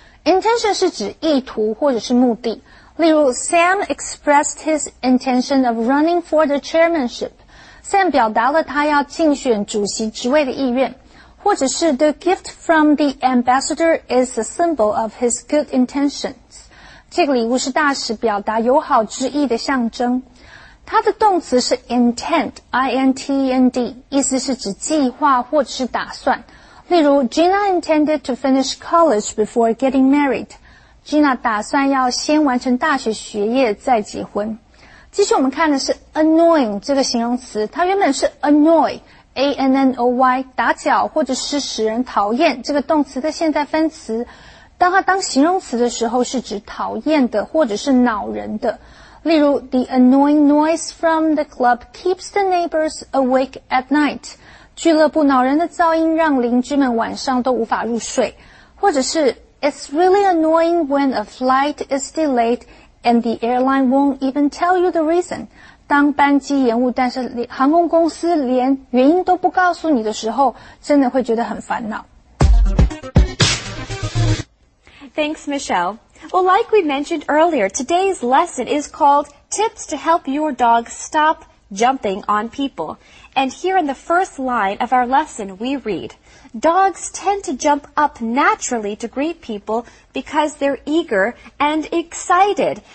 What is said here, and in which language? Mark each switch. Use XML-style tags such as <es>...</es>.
<zh>Intention 是指意图或者是目的。例如</zh> <en>Sam expressed his intention of running for the chairmanship.</en> <zh>Sam 表达了他要竞选主席职位的意愿。或者是</zh> <en>The gift from the ambassador is a symbol of his good intentions.</en> <zh>这个礼物是大使表达友好之意的象征。它的动词是 intend, I-N-T-E-N-D, 意思是指计划或者是打算。例如</zh> <en>Gina intended to finish college before getting married.</en> <zh>Gina 打算要先完成大学学业再结婚。继续我们看的是 annoying 这个形容词，它原本是 annoy, A-N-N-O-Y, 打搅或者是使人讨厌这个动词的现在分词。当它当形容词的时候是指讨厌的或者是恼人的。例如</zh> <en>The annoying noise from the club keeps the neighbors awake at night.</en> <zh>俱乐部恼人的噪音让邻居们晚上都无法入睡。或者是</zh> <en>It's really annoying when a flight is delayed and the airline won't even tell you the reason.</en> <zh>当班机延误但是航空公司连原因都不告诉你的时候真的会觉得很烦恼。</zh> <en>Thanks, Michelle. Well, like we mentioned earlier, today's lesson is called Tips to Help Your Dog Stop Jumping on People. And here in the first line of our lesson, we read, Dogs tend to jump up naturally to greet people because they're eager and excited.</en>